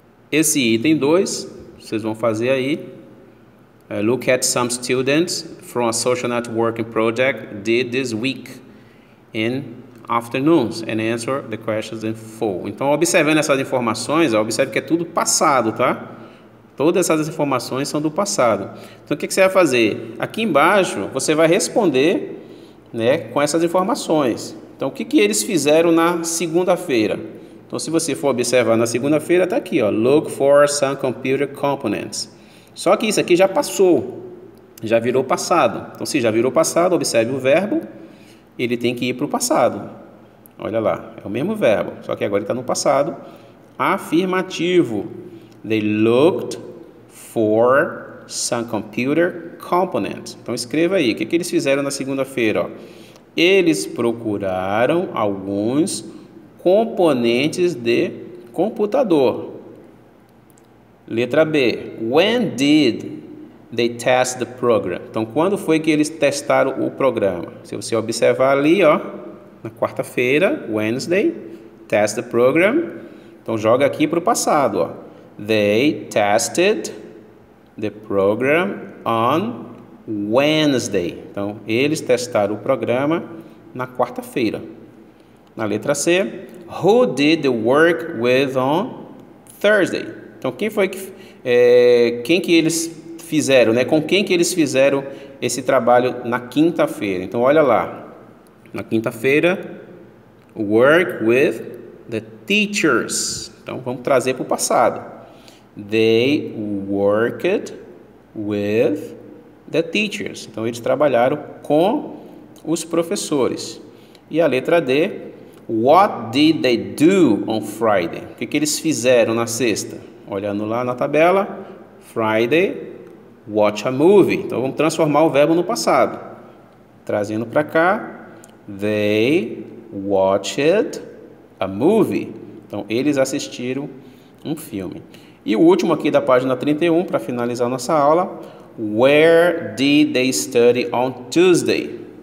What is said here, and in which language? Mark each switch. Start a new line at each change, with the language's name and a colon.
Portuguese: Esse item 2, vocês vão fazer aí.
English: Look at some students from a social networking project did this week in afternoons and answer the questions in full.
Portuguese: Então, observando essas informações, observe que é tudo passado, tá? Todas essas informações são do passado. Então, o que você vai fazer? Aqui embaixo, você vai responder, né, com essas informações. Então, o que eles fizeram na segunda-feira? Então, se você for observar na segunda-feira, está aqui, ó.
English: Look for some computer components.
Portuguese: Só que isso aqui já passou, já virou passado. Então, se já virou passado, observe o verbo, ele tem que ir para o passado. Olha lá, é o mesmo verbo, só que agora está no passado. Afirmativo.
English: They looked for some computer components.
Portuguese: Então, escreva aí, o que eles fizeram na segunda-feira? Eles procuraram alguns componentes de computador. Letra B.
English: When did they test the program?
Portuguese: Então, quando foi que eles testaram o programa? Se você observar ali, ó, na quarta-feira, Wednesday,
English: test the program.
Portuguese: Então, joga aqui para o passado, ó.
English: They tested the program on Wednesday.
Portuguese: Então, eles testaram o programa na quarta-feira. Na letra C.
English: Who did the work with on Thursday?
Portuguese: Então, quem foi que, quem que eles fizeram, né? Com quem que eles fizeram esse trabalho na quinta-feira? Então, olha lá. Na quinta-feira,
English: work with the teachers.
Portuguese: Então, vamos trazer para o passado.
English: They worked with the teachers.
Portuguese: Então, eles trabalharam com os professores. E a letra D.
English: What did they do on Friday?
Portuguese: O que que eles fizeram na sexta? Olhando lá na tabela, Friday,
English: watch a movie.
Portuguese: Então, vamos transformar o verbo no passado. Trazendo para cá,
English: they watched a movie.
Portuguese: Então, eles assistiram um filme. E o último aqui da página 31, para finalizar nossa aula,
English: where did they study on Tuesday?